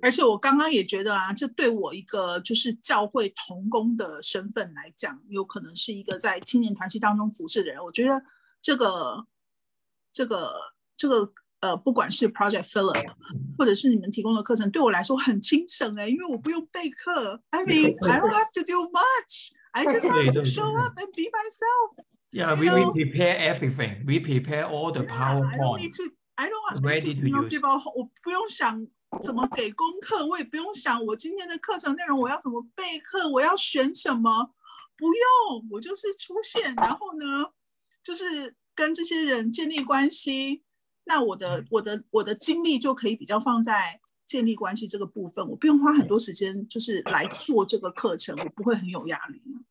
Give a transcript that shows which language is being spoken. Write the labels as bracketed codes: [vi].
[zh] 而且我刚刚也觉得啊，这对我一个就是教会同工的身份来讲，有可能是一个在青年团契当中服侍的人，我觉得这个不管是 Project Philip 或者是你们提供的课程，对我来说很轻省，因为我不用备课。 [en] I mean, I don't have to do much. I just have to show up and be myself. Yeah, we prepare everything. We prepare all the PowerPoint. I don't want to give a whole, [zh] 我不用想怎么给功课，我也不用想我今天的课程内容我要怎么备课，我要选什么，不用，我就是出现，然后呢，就是跟这些人建立关系，那我的精力就可以比较放在建立关系这个部分，我不用花很多时间就是来做这个课程，我不会很有压力。